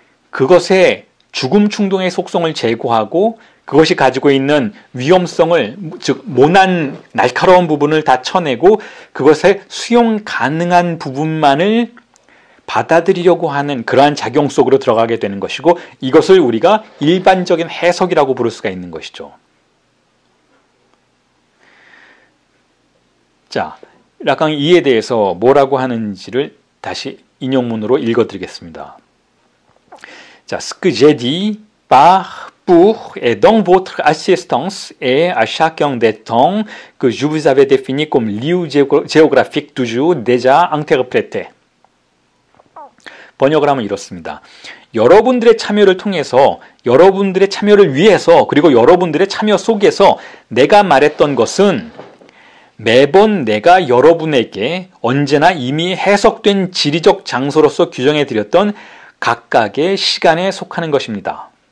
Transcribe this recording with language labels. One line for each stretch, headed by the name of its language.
Korean: 그것의 죽음 충동의 속성을 제거하고 그것이 가지고 있는 위험성을, 즉, 모난 날카로운 부분을 다 쳐내고 그것의 수용 가능한 부분만을 받아들이려고 하는 그러한 작용 속으로 들어가게 되는 것이고 이것을 우리가 일반적인 해석이라고 부를 수가 있는 것이죠. 자, 락강 이에 대해서 뭐라고 하는지를 다시 인용문으로 읽어드리겠습니다.
French: 자, ce que j'ai dit par pour et dans votre assistance et à chacun des temps que je vous avais défini comme lieu géographique toujours déjà interprété.
Korean: 번역을 하면 이렇습니다. 여러분들의 참여를 통해서, 여러분들의 참여를 위해서, 그리고 여러분들의 참여 속에서 내가 말했던 것은 매번 내가 여러분에게 언제나 이미 해석된 지리적 장소로서 규정해 드렸던 각각의 시간에 속하는 것입니다.